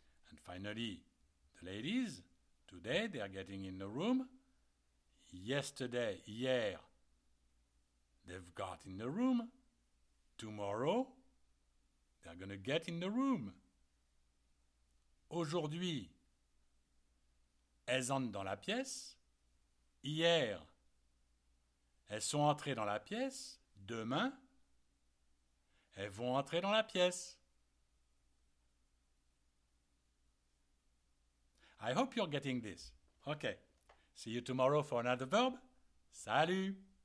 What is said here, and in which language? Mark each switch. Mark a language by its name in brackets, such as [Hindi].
[English] And finally, the ladies, today, they are getting in the room. Yesterday, [French] hier, [English] they've got in the room. Tomorrow, they're going to get in the room. [French] Aujourd'hui, elles entrent dans la pièce. Hier, elles sont entrées dans la pièce. Demain, elles vont entrer dans la pièce. [English] I hope you're getting this. Okay. See you tomorrow for another verb. [French] Salut!